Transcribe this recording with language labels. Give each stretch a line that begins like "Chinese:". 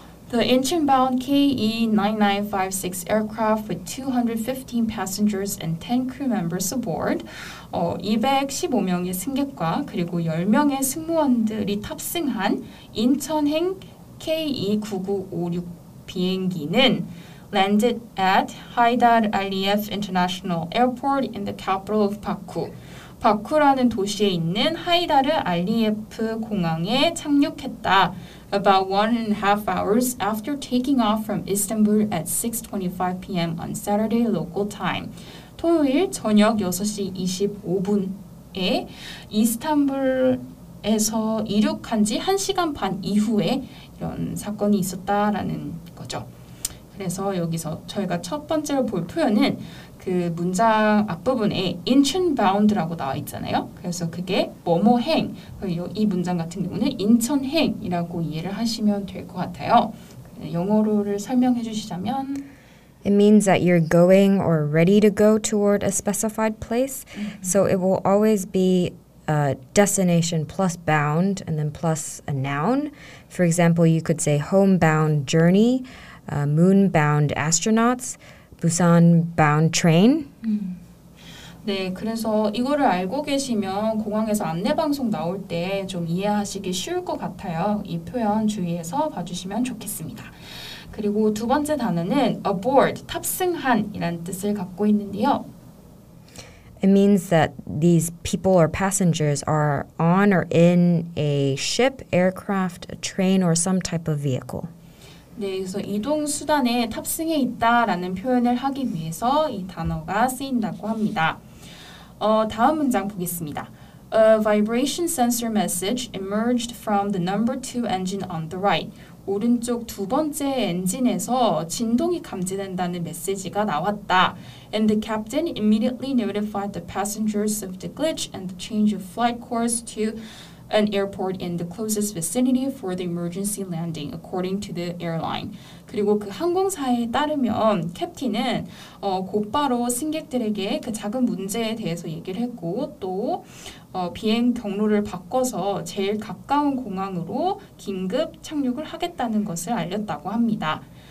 English: The engine-bound KE9956 aircraft with 215 passengers and 10 crew members aboard,
Korean: 215명의 승객과 그리고 10명의 승무원들이 탑승한 인천행 KE9956 비행기는
English: landed at Haidar Aliyev International Airport in the capital of Baku.
Korean: 바쿠라는 도시에 있는 하이다르 알리에프 공항에 착륙했다.
English: About 1.5 hours after taking off from Istanbul at 6:25 p.m. on Saturday local time.
Korean: 토요일 저녁 6시 25분에 이스탄불에서 이륙한 지 1시간 반 이후에 이런 사건이 있었다라는 거죠. 그래서 여기서 저희가 첫 번째로 볼 표현은 그 문장 앞부분에 인천 바운드라고 나와 있잖아요. 그래서 그게 뭐뭐행, 이 문장 같은 경우는 인천행이라고 이해를 하시면 될 것 같아요. 영어로를 설명해 주시자면
English: It means that you're going or ready to go toward a specified place. So it will always be a destination plus bound and then plus a noun. For example, you could say homebound journey, moonbound astronauts, Busan bound train.
Korean: 네, 그래서 이거를 알고 계시면 공항에서 안내 방송 나올 때 좀 이해하시기 쉬울 것 같아요. 이 표현 주의해서 봐주시면 좋겠습니다. 그리고 두 번째 단어는 aboard, 탑승한이라는 뜻을 갖고 있는데요.
English: It means that these people or passengers are on or in a ship, aircraft, a train, or some type of vehicle.
Korean: 네, 그래서 이동 수단에 탑승해 있다라는 표현을 하기 위해서 이 단어가 쓰인다고 합니다. 다음 문장 보겠습니다.
English: A vibration sensor message emerged from the number 2 engine on the right,
Korean: 오른쪽 두 번째 엔진에서 진동이 감지된다는 메시지가 나왔다.
English: And the captain immediately notified the passengers of the glitch and the change of flight course to an airport in the closest vicinity for the emergency landing, according to the airline.
Korean: 그리고 그 항공사에 따르면 캡틴은 곧바로 승객들에게 그 작은 문제에 대해서 얘기를 했고 또 비행 경로를 바꿔서 제일 가까운 공항으로 긴급 착륙을 하겠다는 것을 알렸다고 합니다.